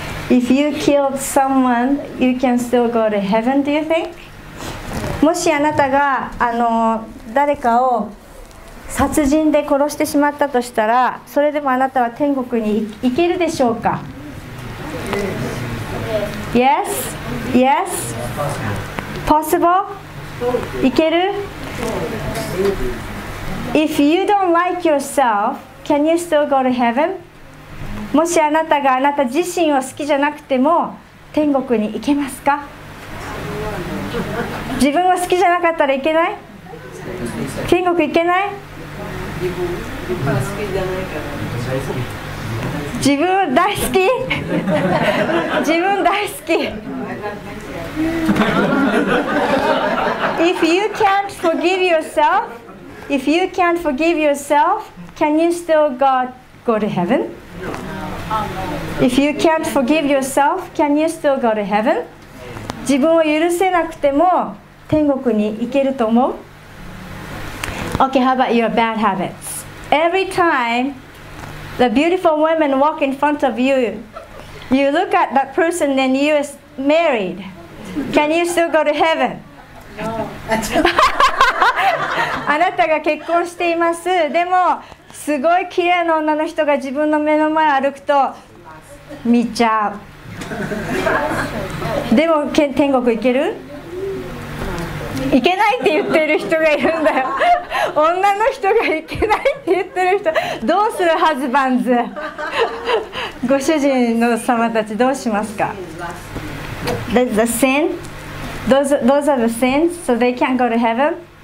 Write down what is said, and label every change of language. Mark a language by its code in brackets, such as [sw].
[en] If you killed someone, you can still go to heaven, do you think? [ja] もしあなたがあの誰かを殺人で殺してしまったとしたら、それでもあなたは天国に行けるでしょうか？ [en] Yes? Yes? Possible? [ja] 行ける？ [en] If you don't like yourself, can you still go to heaven? [ja] もしあなたがあなた自身を好きじゃなくても天国に行けますか？自分を好きじゃなかったらいけない？天国行けない？自分大好き自分大好き [en] If you can't forgive yourself, if you can't forgive yourself, can you still go to heaven? If you can't forgive yourself, can you still go to heaven? [ja] 自分を許せなくても天国に行けると思う? [en] Okay, how about your bad habits? Every time the beautiful woman walk in front of you, you look at that person and you are married. Can you still go to heaven? No. [ja] あなたが結婚しています。でもすごい綺麗な女の人が自分の目の前を歩くと見ちゃう。でも天国行ける?行けないって言ってる人がいるんだよ。女の人が行けないって言ってる人、どうするハズバンズ。ご主人の様たちどうしますか? [en] That's a sin. Those are the sins, so they can't go to heaven.